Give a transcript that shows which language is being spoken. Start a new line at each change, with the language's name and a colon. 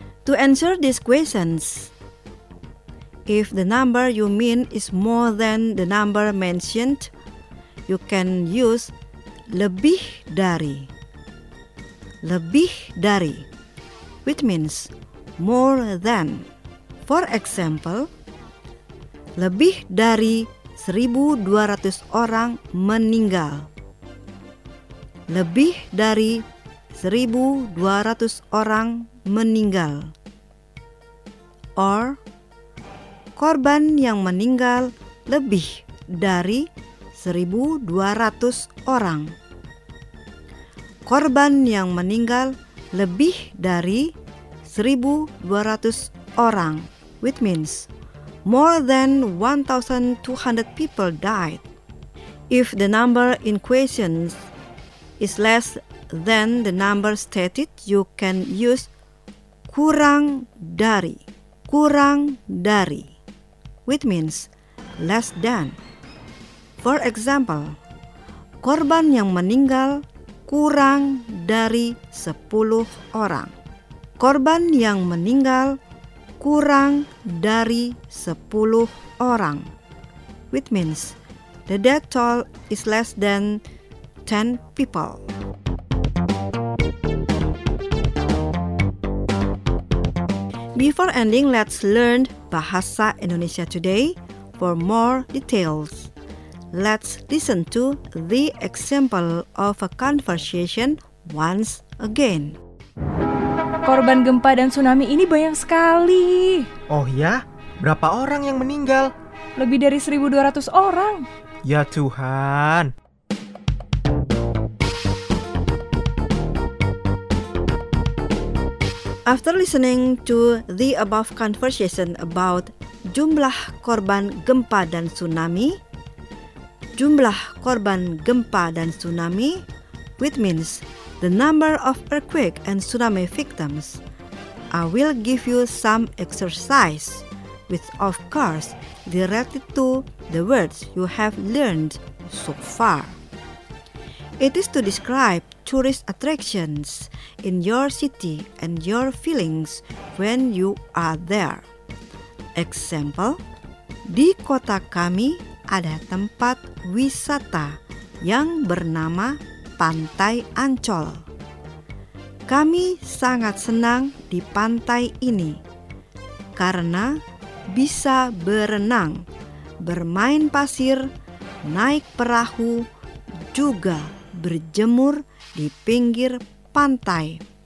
English: To answer these questions, if the number you mean is more than the number mentioned, you can use
Indonesian: lebih dari. Lebih dari,
English: which means more than. For example,
Indonesian: lebih dari 1.200 orang meninggal. Lebih dari 1.200 orang meninggal.
English: Or
Indonesian: korban yang meninggal lebih dari 1.200 orang. Korban yang meninggal lebih dari 1.200 orang,
English: which means more than 1,200 people died. If the number in question is less than the number stated, you can use
Indonesian: kurang dari. Kurang dari,
English: which means less than. For example,
Indonesian: korban yang meninggal kurang dari 10 orang. Korban yang meninggal kurang dari 10 orang,
English: which means the death toll is less than 10 people. Before ending, let's learn Bahasa Indonesia today. For more details, let's listen to the example of a conversation once again.
Indonesian: Korban gempa dan tsunami ini banyak sekali. Oh ya? Berapa orang yang meninggal? Lebih dari 1.200 orang. Ya Tuhan.
English: After listening to the above conversation about
Indonesian: jumlah korban gempa dan tsunami,
English: jumlah korban gempa dan tsunami, which means the number of earthquake and tsunami victims, I will give you some exercise, which of course related to the words you have learned so far. It is to describe tourist attractions in your city and your feelings when you are there. Example,
Indonesian: di kota kami ada tempat wisata yang bernama Pantai Ancol. Kami sangat senang di pantai ini karena bisa berenang, bermain pasir, naik perahu, juga berjemur di pinggir pantai.